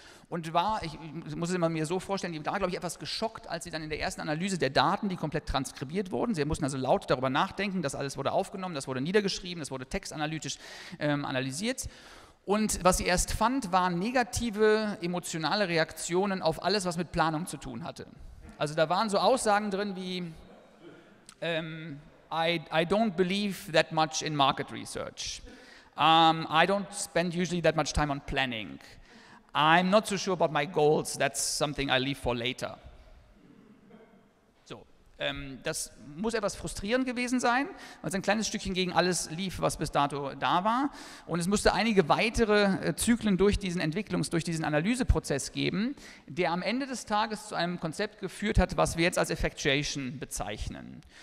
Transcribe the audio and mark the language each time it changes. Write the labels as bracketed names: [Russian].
[German] Und war, ich muss es immer mir so vorstellen, die war, glaube ich, etwas geschockt, als sie dann in der ersten Analyse der Daten, die komplett transkribiert wurden, sie mussten also laut darüber nachdenken, das alles wurde aufgenommen, das wurde niedergeschrieben, das wurde textanalytisch analysiert. Und was sie erst fand, waren negative emotionale Reaktionen auf alles, was mit Planung zu tun hatte. Also da waren so Aussagen drin wie, [English] I don't believe that much in market research. I don't spend usually that much time on planning. I'm not so sure about my goals, that's something I leave for later. [German] So, das muss etwas frustrierend gewesen sein, weil es ein kleines Stückchen gegen alles lief, was bis dato da war. Und es musste einige weitere Zyklen durch diesen Analyseprozess geben, der am Ende des Tages zu einem Konzept geführt hat, was wir jetzt als Effectuation bezeichnen.